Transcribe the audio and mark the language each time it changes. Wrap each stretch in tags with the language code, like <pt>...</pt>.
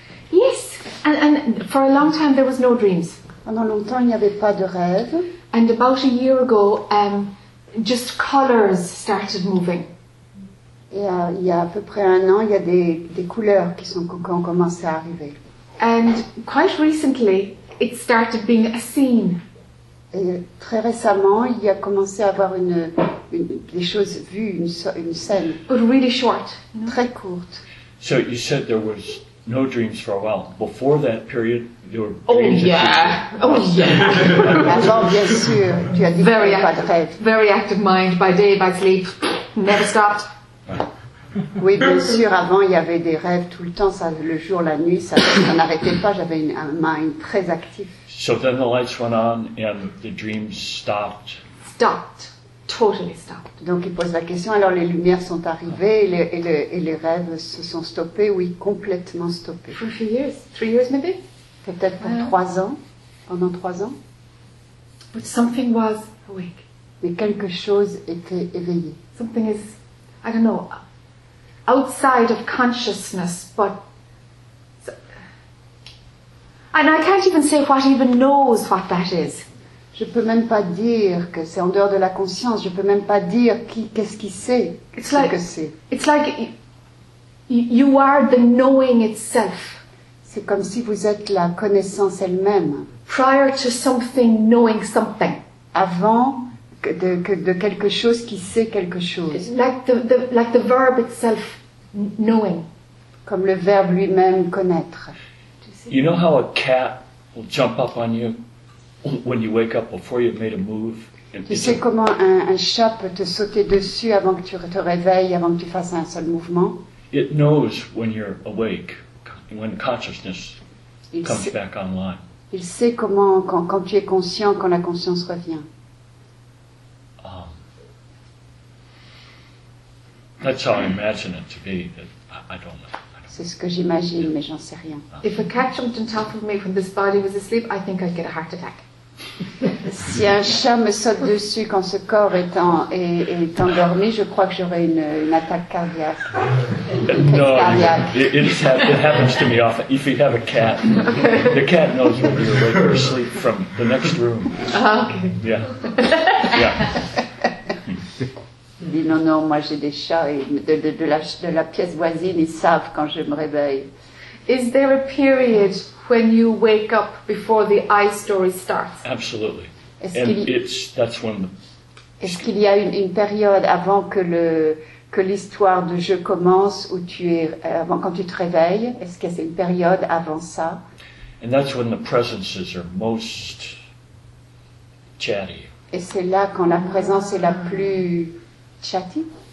<en>Yes, and for a long time there was no dreams.</en> <fr>Pendant longtemps il n'y avait pas de rêve.</fr> <en>And about a year ago, just colors started moving.</en> <fr>Et il y a à peu près un an, il y a des couleurs qui sont ont commencé à arriver.</fr> <en>And quite recently. It started being a scene.</en> <fr>Et très récemment, il y a commencé à avoir des choses vues, une scène.</fr> <en>But really short, you know?</en> <fr>Très courte.</fr> <en>So you said there was no dreams for a while. Before that period, there were</en> <fr>Alors, bien sûr, tu as dit</fr> <en>very</en> <fr>pas de rêve.</fr> <en>Very active mind, by day, by sleep, never stopped.</en> <fr>Oui, bien sûr, avant il y avait des rêves tout le temps, ça, le jour, la nuit, ça n'arrêtait pas, j'avais un mind très actif.</fr> <en>So then the lights went on and the dreams stopped. Stopped. Totally stopped.</en> <fr>Donc il pose la question, alors les lumières sont arrivées et les rêves se sont stoppés, oui, complètement stoppés.</fr> <en>For a few years, 3 years maybe?</en> <fr>Peut-être pour pendant trois ans.</fr> <en>But something was awake.</en> <fr>Mais quelque chose était éveillé.</fr> <en>Something is, I don't know. Outside of consciousness, but and I can't even say what even knows what that is.</en> <fr>Je peux même pas dire que c'est en dehors de la conscience. Je peux même pas dire qu'est-ce qui sait ce que c'est.</fr> <en>It's like you are the knowing itself.</en> <fr>C'est comme si vous êtes la connaissance elle-même.</fr> <en>Prior to something knowing something.</en> <fr>Avant. De quelque chose qui sait quelque chose.</fr> <en>Like the verb itself, knowing.</en> <fr>Comme le verbe lui-même, connaître.</fr> <en>You know how a cat will jump up on you when you wake up before you've made a move?</en> <fr>Tu sais comment un chat peut te sauter dessus avant que tu te réveilles, avant que tu fasses un seul mouvement?</fr> <en>It knows when you're awake, when consciousness comes back online.</en> <fr>Il sait comment, quand tu es conscient, quand la conscience revient.</fr> <en>That's how I imagine it to be, but I don't know.</en> <fr>C'est ce que j'imagine, mais j'en sais rien.</fr> <en>If a cat jumped on top of me when this body was asleep, I think I'd get a heart attack.</en> <fr>Si un chat me saute dessus quand ce corps est endormi, je crois que j'aurai une attaque cardiaque.</fr> <en>No, it happens to me often. If you have a cat, the cat knows when you're awake or asleep from the next room. Okay. Yeah.</en> <fr>dit non, non, moi j'ai des chats et de la pièce voisine, ils savent quand je me réveille.</fr> <en>Is there a period when you wake up before the I story starts? Absolutely.</en> <fr>Est-ce qu'il y a une période avant que l'histoire de jeu commence où tu es avant quand tu te réveilles? Est-ce qu'il y a une période avant ça?</fr> <en>And that's when the presences are most chatty.</en> <fr>Et c'est là quand la présence est la plus chatty.</fr>